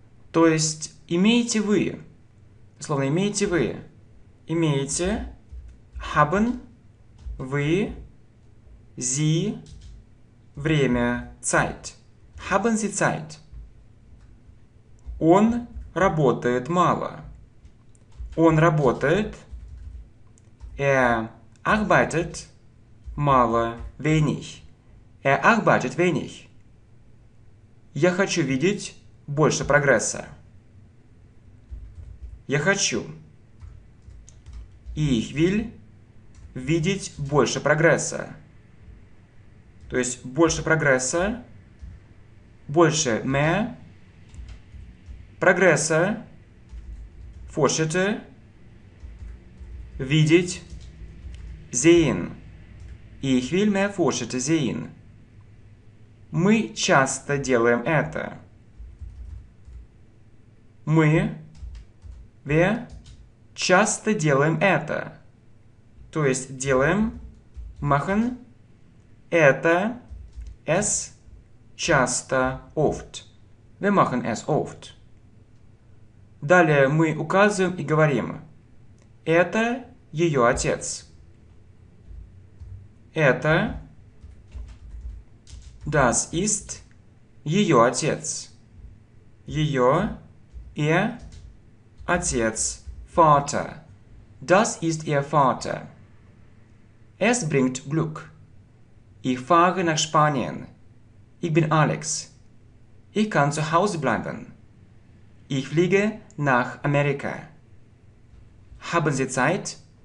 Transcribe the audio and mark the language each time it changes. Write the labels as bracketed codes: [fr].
[ru] То есть, имеете вы? Словно «имеете вы». Имеете? [de] Haben? [ru] Вы? [de] Sie? [ru] Время? [de] Zeit? Haben Sie Zeit? [ru] Он работает мало. Он работает? [de] Arbeitet [ru] мало, [de] wenig. Arbeitet wenig. [ru] Я хочу видеть больше прогресса. Я хочу. [de] Ich will [ru] видеть больше прогресса. То есть больше прогресса, больше [de] mehr, [ru] прогресса, [de] fortschritte, [ru] видеть. [de] Sehen. Ich will mehr Fortschritte sehen. [ru] Мы часто делаем это. Мы. [de] Wir. [ru] Часто делаем это. То есть делаем. [de] Machen. [ru] Это. [de] Es. [ru] Часто. [de] Oft. Wir machen es oft. [ru] Далее мы указываем и говорим. Это ее отец. Это, [de] das ist, [ru] ее отец. Ее, [de] ihr, [ru] отец, [de] Vater. Das ist ihr Vater. Es bringt Glück. Ich fahre nach Spanien. Ich bin Alex. Ich kann zu Hause bleiben. Ich fliege nach Amerika. Haben Sie Zeit?